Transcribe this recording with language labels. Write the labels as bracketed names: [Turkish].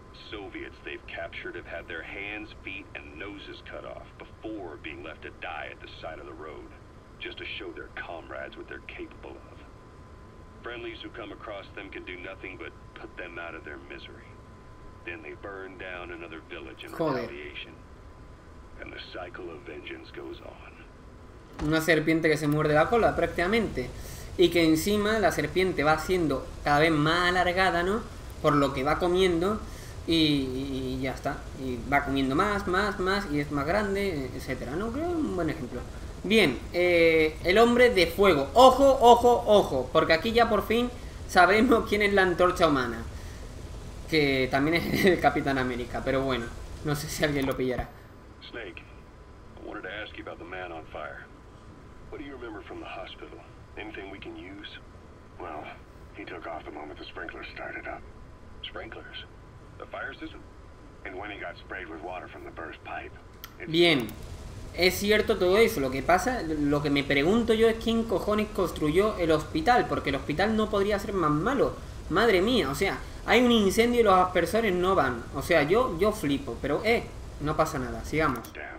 [English] Soviets they've captured have had their hands, feet, and noses cut off before being left to die at the side of the road, just to show their comrades what they're capable of. Friendlies who come across them can do nothing but put them out of their misery. Then they burn down another village in retaliation, and the cycle of vengeance goes on. [Spanish] Una serpiente que se muerde la cola, prácticamente, y que encima la serpiente va siendo cada vez más alargada, ¿no? Por lo que va comiendo. Y ya está, y va comiendo más y es más grande, etcétera, ¿no? Creo que es un buen ejemplo. Bien, el hombre de fuego. Ojo, porque aquí ya por fin sabemos quién es la antorcha humana, que también es el Capitán América, pero bueno, no sé si alguien lo pillará. [English] Snake, I wanted to ask you about the man on fire. What do you remember from the hospital? Anything we can use? Well, he took off the moment the sprinklers started up. Sprinklers. The fire system, and when he got sprayed with water from the burst pipe. [Spanish] Bien, es cierto todo eso. Lo que pasa, lo que me pregunto yo es quién cojones construyó el hospital, porque el hospital no podría ser más malo. Madre mía, o sea, hay un incendio y los aspersores no van. O sea, yo flipo, pero no pasa nada, sigamos.